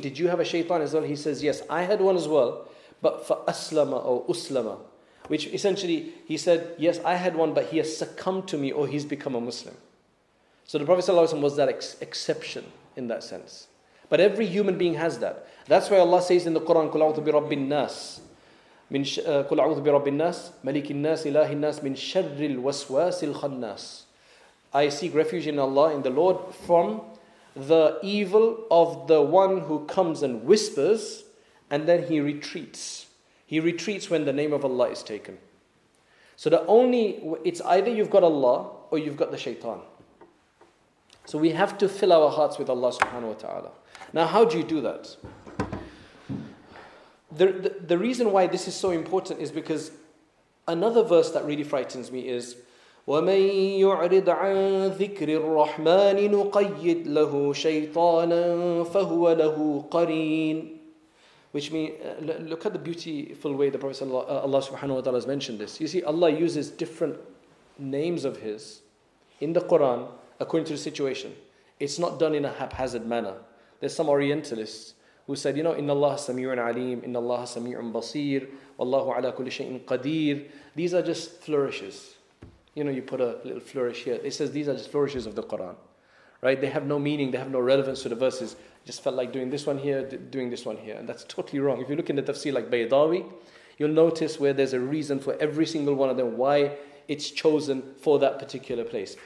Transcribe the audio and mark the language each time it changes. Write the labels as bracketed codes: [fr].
[en] Did you have a shaytan as well? He says, yes, I had one as well, but for aslama or uslama. Which essentially, he said, yes, I had one, but he has succumbed to me or he's become a Muslim. So the Prophet ﷺ was that exception in that sense. But every human being has that. That's why Allah says in the Quran, [ar] قُلْ أَعُوذُ بِرَبِّ النَّاسِ مِنْ قُلْ أَعُوذُ بِرَبِّ النَّاسِ مَلِكِ النَّاسِ إِلَهِ النَّاسِ مِنْ شَرِّ الْوَسْوَاسِ الْخَنَّاسِ. [en] I seek refuge in Allah, in the Lord, from the evil of the one who comes and whispers, and then he retreats. He retreats when the name of Allah is taken. So the only, it's either you've got Allah or you've got the shaytan. So we have to fill our hearts with Allah subhanahu wa ta'ala. Now how do you do that? The reason why this is so important is because another verse that really frightens me is, [ar] وَمَن يُعْرِضْ عَن ذِكْرِ الرَّحْمَنِ نُقَيِّدْ لَهُ شَيْطَانًا فَهُوَ لَهُ قَرِينٌ. [en] Which means, look at the beautiful way the Prophet Allah subhanahu wa ta'ala has mentioned this. You see, Allah uses different names of His in the Quran according to the situation. It's not done in a haphazard manner. There's some Orientalists who said, you know, [ar] إِنَّ اللَّهَ سَمِيعٌ عَلِيمٌ إِنَّ اللَّهَ سَمِيعٌ بَصِيرٌ وَاللَّهُ عَلَى كُلِّ شَيْءٍ قَدِيرٌ. [en] These are just flourishes. You know, you put a little flourish here. It says these are just flourishes of the Quran. Right? They have no meaning. They have no relevance to the verses. Just felt like doing this one here, doing this one here. And that's totally wrong. If you look in the tafsir like Baydawi, you'll notice where there's a reason for every single one of them, why it's chosen for that particular place.